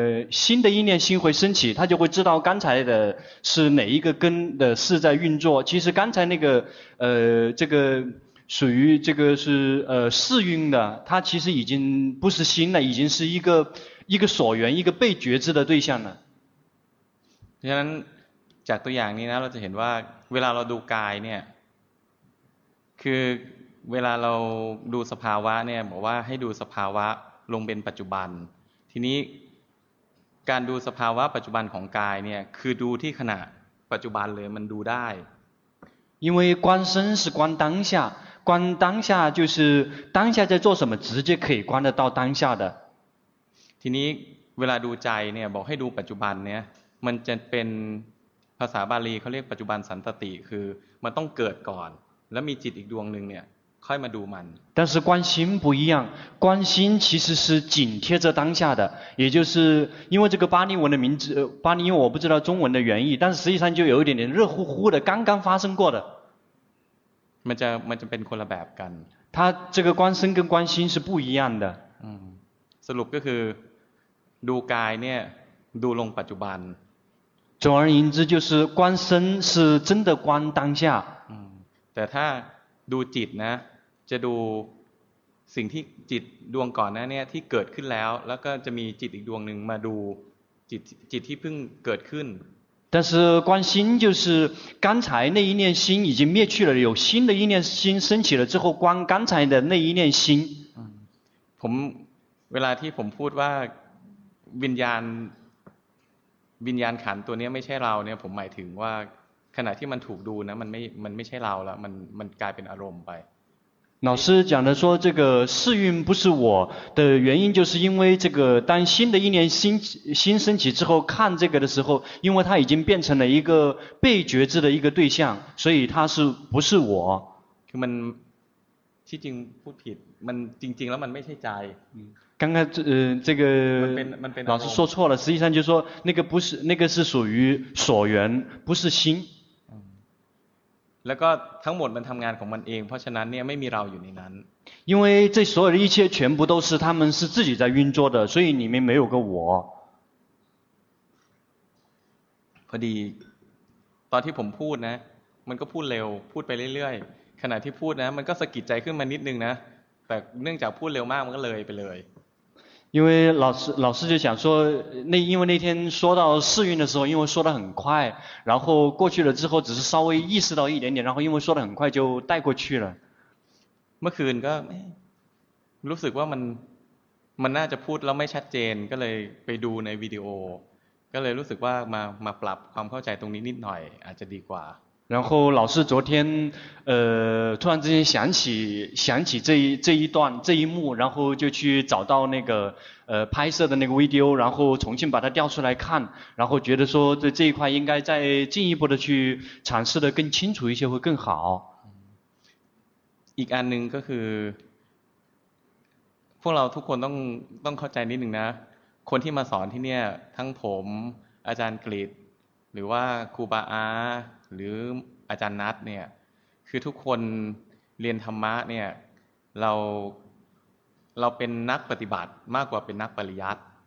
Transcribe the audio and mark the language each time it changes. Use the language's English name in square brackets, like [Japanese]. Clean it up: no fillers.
[Chinese] 新的意念心会升起他就会知道刚才的是哪一个根的识在运作其实刚才那个这个属于这个是四蕴的它其实已经不是心了已经是一个所缘一个被觉知的对象了 [Thai] ฉะนั้นจากตัวอย่างนี้นะเราจะเห็นว่าเวลาเราดูกายเนี่ยคือเวลาเราดูสภาวะเนี่ยบอกว่าให้ดูสภาวะลงเป็นปัจจุบันทีนี้การดูสภาวะปัจจุบันของกายเนี่ยคือดูที่ขณะปัจจุบันเลยมันดูได้ [Chinese] 因为观身是观当下观当下就是当下在做什么直接可以观得到当下的 [Thai] ทีนี้เวลาดูใจเนี่ยบอกให้ดูปัจจุบันเนี่ยมันจะเป็นภาษาบาลีเขาเรียกปัจจุบันสันตติคือมันต้องเกิดก่อนแล้วมีจิตอีกดวงหนึ่งเนี่ยค่อยมาดูมัน [Chinese] 但是观心不一样观心其实是紧贴着当下的也就是因为这个巴利文的名字巴利文我不知道中文的原意但是实际上就有一点点热乎乎的刚刚发生过的 [Thai] มันจะเป็นคนละแบบกัน [Chinese] 它这个观身跟观心是不一样的 [Thai] สรุปก็คือดูกายเนี่ยดูลงปัจจุบัน [Chinese] 总而言之就是观身是真的观当下 [Thai] แต่ถ้าดูจิตนะจะดูสิ่งที่จิตดวงก่อนนั้นเนี่ยที่เกิดขึ้นแล้วแล้วก็จะมีจิตอีกดวงหนึ่งมาดูจิตที่เพิ่งเกิดขึ้น [Chinese] 但是观心就是刚才那一念心已经灭去了有新的一念心升起了之后观刚才的那一念心 [Thai] ผมเวลาที่ผมพูดว่าวิญญาณขันตัวนี้ไม่ใช่เราเนี่ยผมหมายถึงว่าขณะที่มันถูกดูนะมันไม่ใช่เราแล้วมันกลายเป็นอารมณ์ไป [Chinese] 老师讲的说这个世运不是我的原因就是因为这个当新的一念心升起之后看这个的时候因为它已经变成了一个被觉知的一个对象所以它是不是我 [Thai] คือมันที่จริงพูดผิดมันจริงๆแล้วมันไม่ใช่ใจ [Chinese] 刚刚这个老师说错了实际上就是说那个不是那个是属于所缘不是心 [Thai] แล้วก็ทั้งหมดมันทำงานของมันเองเพราะฉะนั้นเนี่ยไม่มีเราอยู่ในนั้น [Chinese] 因为这所有的一切全部都是他们是自己在运作的所以里面没有个我 [Thai] พอดีตอนที่ผมพูดนะมันก็พูดเร็วพูดไปเรื่อยๆขณะที่พูดนะมันก็สะกิดใจขึ้นมานิดนึงนะแต่เนื่องจากพูดเร็วมากมันก็เลยไปเลย [Chinese] 因为老师就想说那因为那天说到试运的时候因为说得很快然后过去了之后只是稍微意识到一点点然后因为说得很快就带过去了 [Thai] เมื่อคืนก็รู้สึกว่ามันน่าจะพูดแล้วไม่ชัดเจนก็เลยไปดูในวิดีโอก็เลยรู้สึกว่ามาปรับความเข้าใจตรงนี้นิดหน่อยอาจจะดีกว่า [Chinese] 然后老师昨天突然之间想起这一段这一幕然后就去找到那个拍摄的那个 video 然后重新把它调出来看然后觉得说这一块应该再进一步的去阐释的更清楚一些会更好 [Thai] อีกอันหนึ่งก็คือพวกเราทุกคนต้องเข้าใจนิดหนึ่งนะคนที่มาสอนที่เนี่ยทั้งผมอาจารย์กฤตหรือว่าครูบาอาหรืออาจารย์นัทเนี่ยคือทุกคนเรียนธรรมะเนี่ยเราเป็นนักปฏิบัติมากกว่าเป็นนักปริยัติ